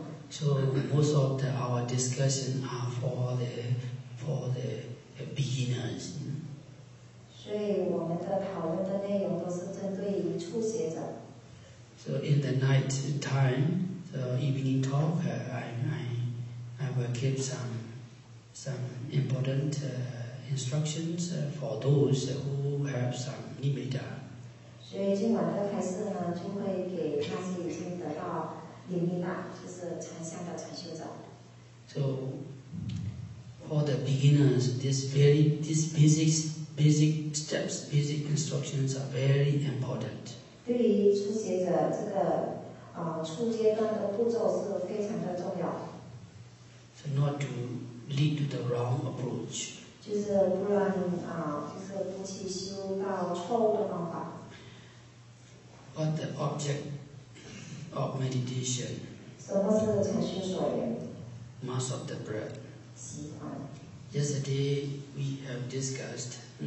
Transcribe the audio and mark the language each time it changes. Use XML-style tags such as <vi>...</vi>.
<en>So, most of our discussion are for the beginners.</en> <zh>所以我们的讨论的内容都是针对于初学者。</zh> <en>So in the night time, the evening talk, I will give some important instructions for those who have some nimitta.</en> <zh>所以今晚的开示呢，就会给那些已经得到nimitta，就是禅相的禅修者。</zh> <en>So for the beginners, basic steps, basic instructions are very important.</en> <zh>对于初学者，这个初阶段的步骤是非常的重要。</zh> <en>So not to lead to the wrong approach.</en> <zh>就是不然就是不去修到错误的方法。</zh> <en>What the object of meditation?</en> <zh>什么是禅修所缘</zh> <en>？Mass of the breath.</en> <zh>习惯。</zh> <en>Yesterday we have discussed.</en>